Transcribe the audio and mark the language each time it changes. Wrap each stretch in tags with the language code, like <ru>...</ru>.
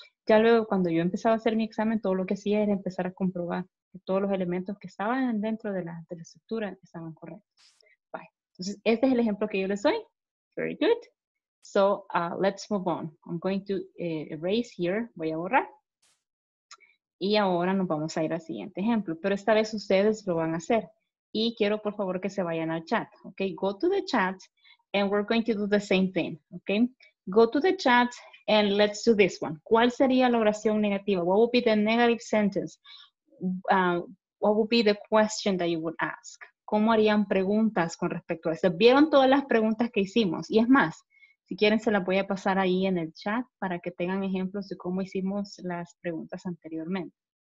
<es>Ya luego cuando yo empezaba a hacer mi examen, todo lo que hacía era empezar a comprobar que todos los elementos que estaban dentro de la estructura estaban correctos. Bye. Entonces, este es el ejemplo que yo les doy.</es> <en>Very good. So, let's move on. I'm going to erase here.</en> <es>Voy a borrar. Y ahora nos vamos a ir al siguiente ejemplo. Pero esta vez ustedes lo van a hacer. Y quiero, por favor, que se vayan al chat.</es> <en>Okay, go to the chat and we're going to do the same thing. Okay, go to the chat and let's do this one.</en> <es>¿Cuál sería la oración negativa?</es> <en>What would be the negative sentence? What would be the question that you would ask?</en> <es>¿Cómo harían preguntas con respecto a eso? ¿Vieron todas las preguntas que hicimos? Y es más, si quieren se las voy a pasar ahí en el chat para que tengan ejemplos de cómo hicimos las preguntas anteriormente.</es>